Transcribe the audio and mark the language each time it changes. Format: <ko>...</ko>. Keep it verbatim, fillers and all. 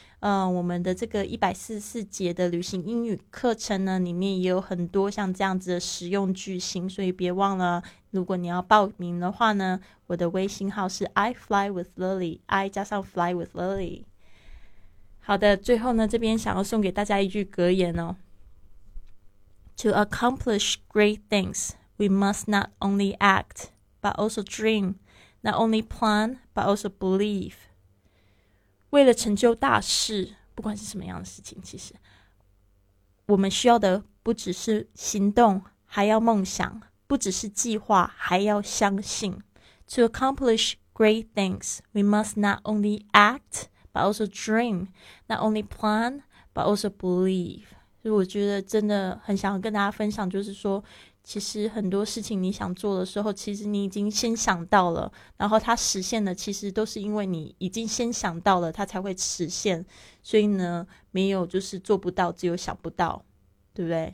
<zh>嗯、呃，我们的这个一百四十四节的旅行英语课程呢，里面也有很多像这样子的实用句型，所以别忘了，如果你要报名的话呢，我的微信号是 I fly with Lily I 加上 fly with Lily。好的，最后呢，这边想要送给大家一句格言哦。</zh> <en>To accomplish great things, we must not only act, but also dream, not only plan, but also believe.</en> <zh>为了成就大事，不管是什么样的事情，其实我们需要的不只是行动，还要梦想；不只是计划，还要相信。</zh> <en>To accomplish great things, we must not only act,But also dream, not only plan, but also believe.</en> <zh>所以我觉得真的很想要跟大家分享，就是说，其实很多事情你想做的时候，其实你已经先想到了，然后它实现了，其实都是因为你已经先想到了，它才会实现。所以呢，没有就是做不到，只有想不到，对不对？</zh>